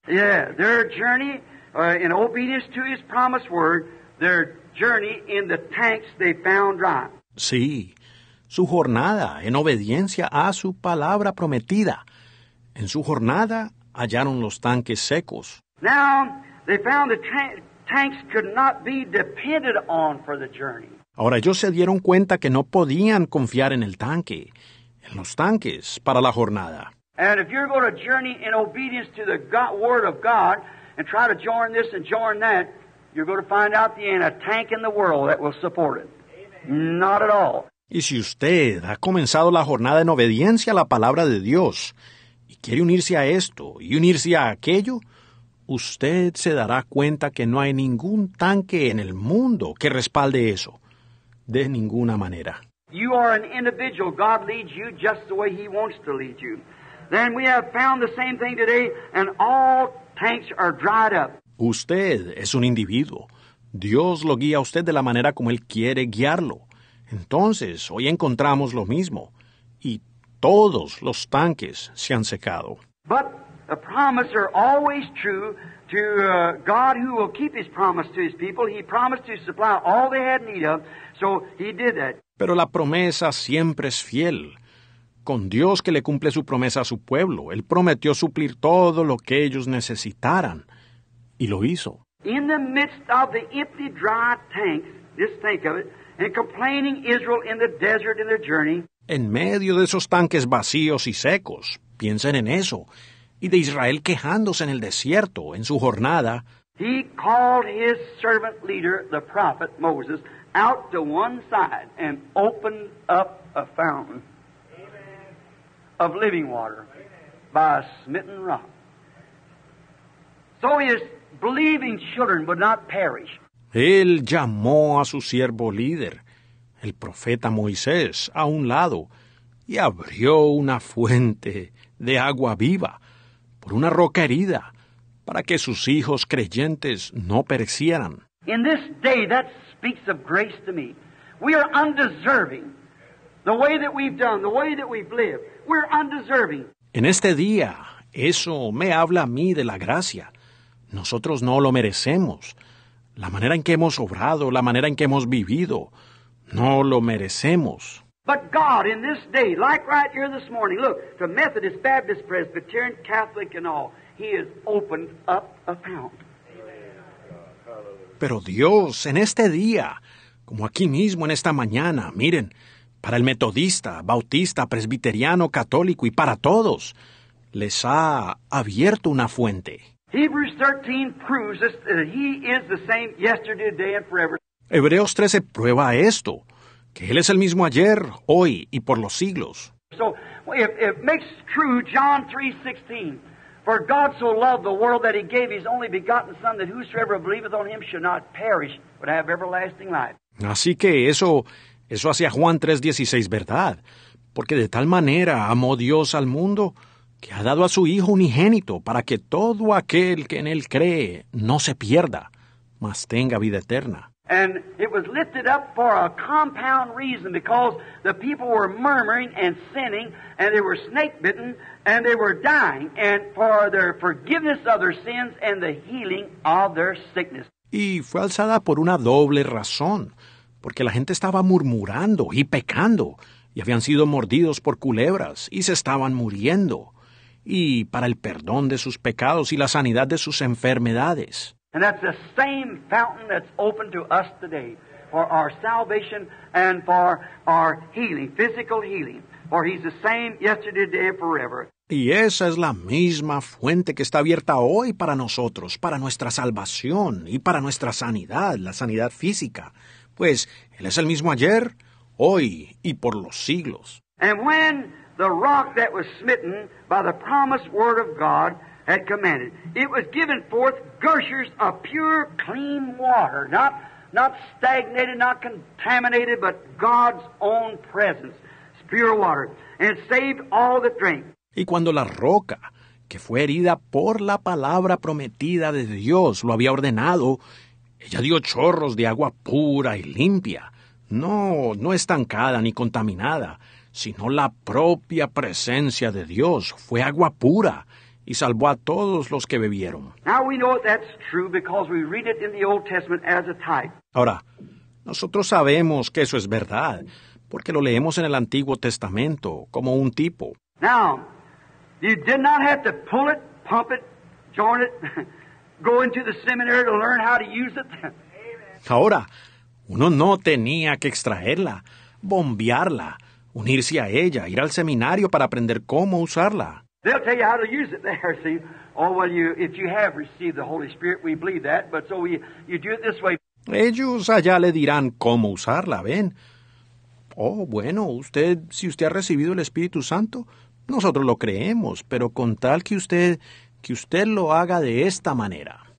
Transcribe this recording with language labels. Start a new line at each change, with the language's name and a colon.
English: Yeah, their journey, in obedience to his promised word, their journey in the tanks they found dry.
Spanish: Sí, su jornada en obediencia a su palabra prometida. En su jornada hallaron los tanques secos.
English: Now, they found the tanks could not be depended on for the journey.
Spanish: Ahora ellos se dieron cuenta que no podían confiar en el tanque, en los tanques para la jornada.
English: And if you're going to journey in obedience to the God, word of God and try to join this and join that, you're going to find out the end, a tank in the world that will support it. Amen. Not at all.
Spanish: Y si usted ha comenzado la jornada en obediencia a la palabra de Dios y quiere unirse a esto y unirse a aquello, usted se dará cuenta que no hay ningún tanque en el mundo que respalde eso, de ninguna manera.
English: You are an individual. God leads you just the way he wants to lead you. Then we have found the same thing today, and all tanks are dried up.
Spanish: Usted es un individuo. Dios lo guía a usted de la manera como él quiere guiarlo. Entonces, hoy encontramos lo mismo, y todos los tanques se han secado.
English: But the promises are always true to God, who will keep his promise to his people. He promised to supply all they had need of, so he did that.
Spanish: Pero la promesa siempre es fiel. Con Dios que le cumple su promesa a su pueblo, él prometió suplir todo lo que ellos necesitaran, y lo hizo.
English: In the midst of the empty, dry tanks, just think of it, and complaining Israel in the desert in their journey.
Spanish: en medio de esos tanques vacíos y secos, piensen en eso, y de Israel quejándose en el desierto, en su jornada.
English: He called his servant leader, the prophet Moses, out to one side and opened up a fountain of living water by a smitten rock, so his believing children would not perish.
Spanish: Él llamó a su siervo líder, el profeta Moisés, a un lado, y abrió una fuente de agua viva por una roca herida para que sus hijos creyentes no perecieran.
English: In this day, that speaks of grace to me. We are undeserving. The way that we've done, the way that we've lived, we're undeserving.
Spanish: En este día, eso me habla a mí de la gracia. Nosotros no lo merecemos. La manera en que hemos obrado, la manera en que hemos vivido, no lo merecemos.
English: But God, in this day, like right here this morning, look, to Methodist, Baptist, Presbyterian, Catholic and all, he has opened up a fountain.
Spanish: Pero Dios, en este día, como aquí mismo en esta mañana, miren, para el metodista, bautista, presbiteriano, católico y para todos, les ha abierto una fuente.
English: Hebrews 13 proves this, that he is the same yesterday, today, and forever.
Spanish: Hebreos 13 prueba esto, que él es el mismo ayer, hoy y por los siglos.
English: So it makes true John 3:16. For God so loved the world that he gave his only begotten Son, that whosoever believeth on him should not perish, but have everlasting life.
Spanish: Así que eso hacía Juan 3:16 verdad, porque de tal manera amó Dios al mundo que ha dado a su Hijo unigénito para que todo aquel que en él cree no se pierda, mas tenga vida eterna.
English: And it was lifted up for a compound reason, because the people were murmuring and sinning, and they were snake bitten, and they were dying, and for their forgiveness of their sins and the healing of their sickness.
Spanish: Y fue alzada por una doble razón, porque la gente estaba murmurando y pecando, y habían sido mordidos por culebras, y se estaban muriendo, y para el perdón de sus pecados y la sanidad de sus enfermedades.
English: And that's the same fountain that's open to us today for our salvation and for our healing, physical healing. For he's the same yesterday, today, forever.
Spanish: Y esa es la misma fuente que está abierta hoy para nosotros, para nuestra salvación y para nuestra sanidad, la sanidad física. Pues él es el mismo ayer, hoy y por los siglos.
English: And when the rock that was smitten by the promised word of God had commanded, it was given forth gushers of pure, clean water, not stagnated, not contaminated, but God's own presence, it's pure water, and it saved all that drank.
Spanish: Y cuando la roca, que fue herida por la palabra prometida de Dios, lo había ordenado, ella dio chorros de agua pura y limpia, no estancada ni contaminada, sino la propia presencia de Dios, fue agua pura, y salvó a todos los que bebieron.
English: Now we know that's true because we read it in the Old Testament as a type.
Spanish: Ahora, nosotros sabemos que eso es verdad, porque lo leemos en el Antiguo Testamento como un tipo.
English: Now, you did not have to pull it, pump it, join it, go into the seminary to learn how to use it.
Spanish: Ahora, uno no tenía que extraerla, bombearla, unirse a ella, ir al seminario para aprender cómo usarla.
English: They'll tell you how to use it there, see. Oh, well, if you have received the Holy Spirit, we believe that, but so you do it this way.
Spanish: Ellos allá le dirán cómo usarla, ¿ven? Oh, bueno, si usted ha recibido el Espíritu Santo, nosotros lo creemos, pero con tal que usted lo haga de esta manera.